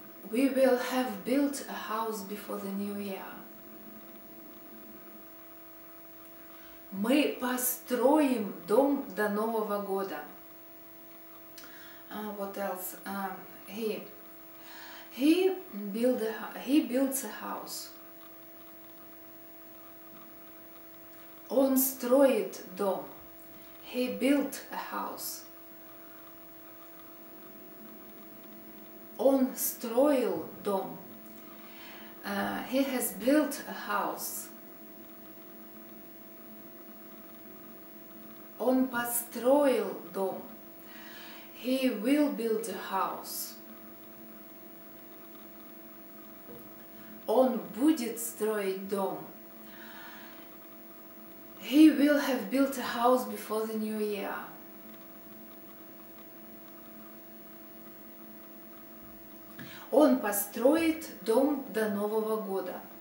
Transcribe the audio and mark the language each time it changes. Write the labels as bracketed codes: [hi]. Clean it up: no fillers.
[en] We will have built a house before the new year. [ru] Мы построим дом до Нового года. [en] What else? He builds a house. [ru] Он строит дом. [en] He built a house. [ru] Он строил дом. [en] He has built a house. [ru] Он построил дом. [en] He will build a house. [ru] Он будет строить дом. [en] He will have built a house before the new year. [ru] Он построит дом до Нового года.